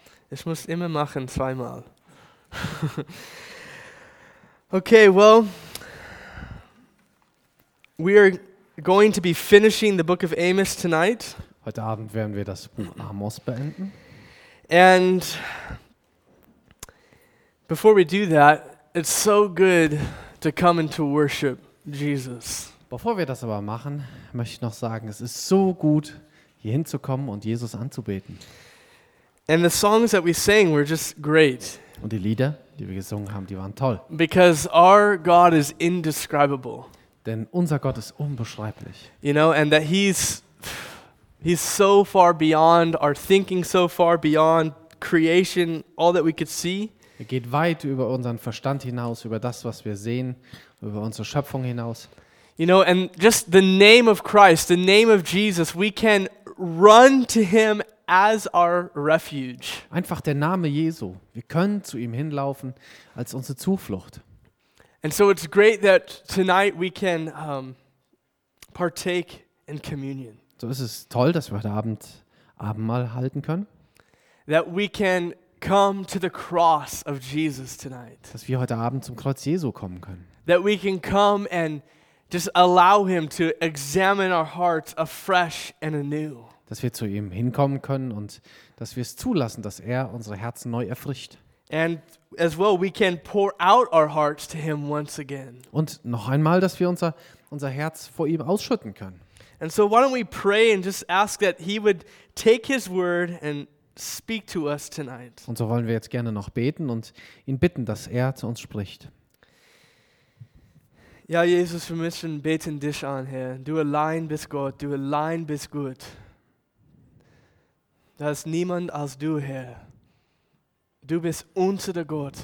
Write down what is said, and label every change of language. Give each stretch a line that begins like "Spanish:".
German: Ich muss immer machen zweimal.
English: Okay, well, we are going to be finishing the book of Amos tonight.
German: Heute Abend werden wir das Buch Amos beenden.
English: And before we do that, it's so good to come and to worship Jesus.
German: Bevor wir das aber machen, möchte ich noch sagen, es ist so gut, hier hinzukommen und Jesus anzubeten.
English: And the songs that we sang were just great.
German: Und die Lieder, die wir gesungen haben, die waren toll.
English: Because our God is indescribable.
German: Denn unser Gott ist unbeschreiblich.
English: You know, and that he's so far beyond our thinking, so far beyond creation, all that we could see.
German: Er geht weit über unseren Verstand hinaus, über das, was wir sehen, über unsere Schöpfung hinaus.
English: You know, and just the name of Christ, the name of Jesus, we can run to him as our refuge.
German: Einfach der Name Jesu. Wir können zu ihm hinlaufen als unsere Zuflucht.
English: And so it's great that tonight we can partake in communion.
German: So ist es toll, dass wir heute Abend Abendmahl halten können.
English: That we can come to the cross of Jesus tonight.
German: Dass wir heute Abend zum Kreuz Jesu kommen können.
English: That we can come and just allow him to examine our hearts afresh and anew.
German: Dass wir zu ihm hinkommen können und dass wir es zulassen, dass er unsere Herzen neu erfrischt.
English: And as well we can pour out our hearts to him once again.
German: Und noch einmal, dass wir unser Herz vor ihm ausschütten können.
English: And so why don't we pray and just ask that he would take his word and speak to us tonight.
German: Und so wollen wir jetzt gerne noch beten und ihn bitten, dass er zu uns spricht. Ja, Jesus, wir müssen beten dich an, Herr. Du allein bist Gott, du allein bist gut. Da ist niemand als du, Herr. Du bist unser Gott.